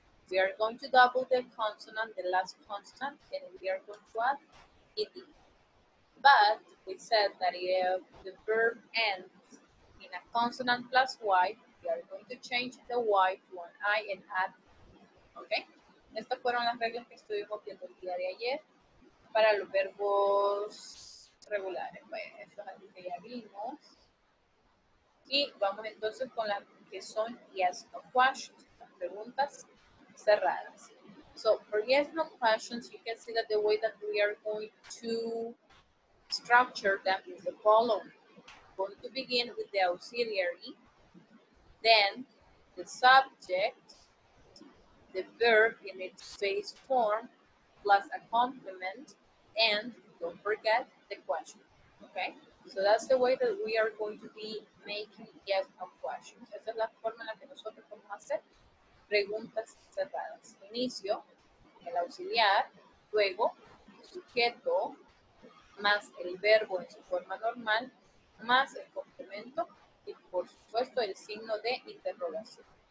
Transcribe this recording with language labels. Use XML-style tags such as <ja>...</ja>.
<en>We are going to double the consonant, the last consonant, and we are going to add ed. But we said that if the verb ends in a consonant plus y, we are going to change the y to an I and add ed. Okay?</en> <es>Estas fueron las reglas que estuvimos viendo el día de ayer para los verbos regulares. Bueno, eso es algo que ya vimos. Y vamos entonces con las que son yes no questions, las preguntas cerradas.</es> <en>So, for yes no questions, you can see that the way that we are going to structure them is the following. We're going to begin with the auxiliary, then the subject, the verb in its base form, plus a complement, and don't forget the question, okay? So that's the way that we are going to be making yes no questions.</en> <es>Esa es la forma en la que nosotros vamos a hacer preguntas cerradas. Inicio, el auxiliar, luego sujeto, más el verbo en su forma normal, más el complemento, y por supuesto el signo de interrogación.</es>